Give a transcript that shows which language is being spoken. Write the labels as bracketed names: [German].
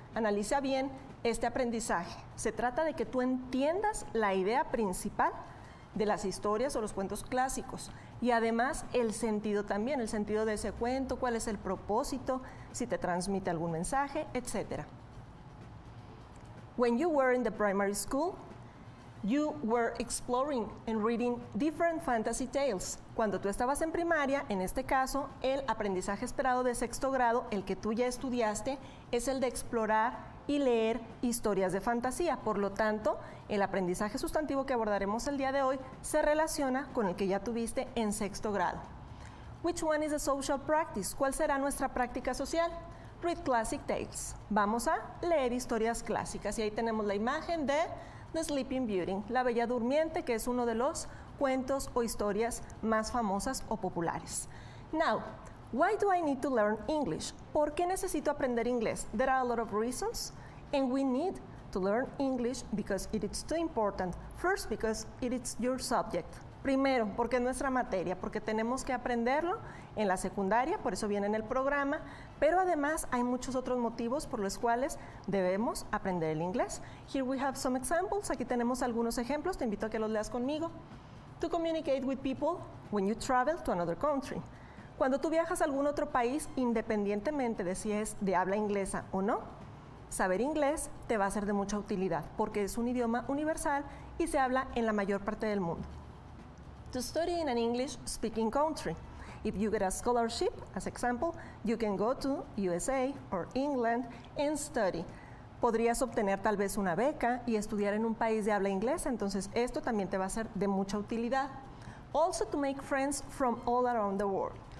[Spanish] Analiza bien este aprendizaje. Se trata de que tú entiendas la idea principal de las historias o los cuentos clásicos. Y además, el sentido también, el sentido de ese cuento, cuál es el propósito, si te transmite algún mensaje, etc. [English] When you were in the primary school, you were exploring and reading different fantasy tales. [Spanish] Cuando tú estabas en primaria, en este caso, el aprendizaje esperado de sexto grado, el que tú ya estudiaste, es el de explorar y leer historias de fantasía. Por lo tanto, el aprendizaje sustantivo que abordaremos el día de hoy se relaciona con el que ya tuviste en sexto grado. [English] Which one is a social practice? [Spanish] ¿Cuál será nuestra práctica social? [English] Read classic tales. [Spanish] Vamos a leer historias clásicas. Y ahí tenemos la imagen de The Sleeping Beauty, La Bella Durmiente, que es uno de los cuentos o historias más famosas o populares. [English] Now, why do I need to learn English? [Spanish] ¿Por qué necesito aprender inglés? [English] There are a lot of reasons, and we need to learn English because it is too important. First, because it is your subject. [Spanish] Primero, porque es nuestra materia, porque tenemos que aprenderlo en la secundaria, por eso viene en el programa, pero además hay muchos otros motivos por los cuales debemos aprender el inglés. [English] Here we have some examples, [Spanish] aquí tenemos algunos ejemplos, te invito a que los leas conmigo. [English] To communicate with people when you travel to another country. [Spanish] Cuando tú viajas a algún otro país, independientemente de si es de habla inglesa o no, saber inglés te va a ser de mucha utilidad, porque es un idioma universal y se habla en la mayor parte del mundo. [English] To study in an English speaking country. If you get a scholarship, as example, you can go to USA or England and study. [Spanish] Podrías obtener tal vez una beca y estudiar en un país de habla inglesa, entonces esto también te va a ser de mucha utilidad. [English] Also to make friends from all around the world.